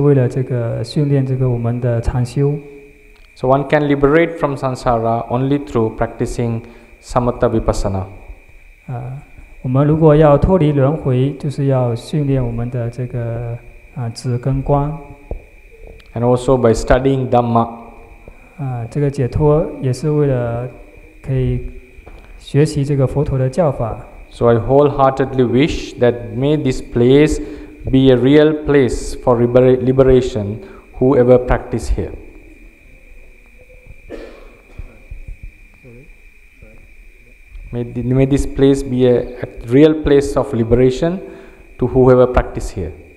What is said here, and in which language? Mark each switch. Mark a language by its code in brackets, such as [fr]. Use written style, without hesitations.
[zh] 这个解脱也是为了这个训练这个我们的禅修. [en] So one can liberate from samsara only through practicing samatha vipassana. [zh] 我们如果要脱离轮回, 就是要训练我们的这个 止跟观. [en] And also by studying dhamma. [zh] 这个解脱也是为了可以学习这个佛陀的教法. [en] So I wholeheartedly wish that may this place be a real place for liberation, whoever practice here. May this place be a real place of liberation to whoever practice here.